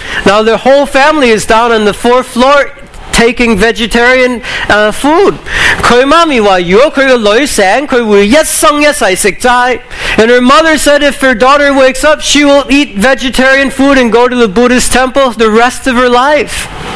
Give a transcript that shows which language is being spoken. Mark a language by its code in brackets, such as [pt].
[en] Now their whole family is down on the fourth floor taking vegetarian food. [yue] 她妈咪说,如果她的女醒,她会一生一世吃齋. [en] And her mother said if her daughter wakes up, she will eat vegetarian food and go to the Buddhist temple the rest of her life.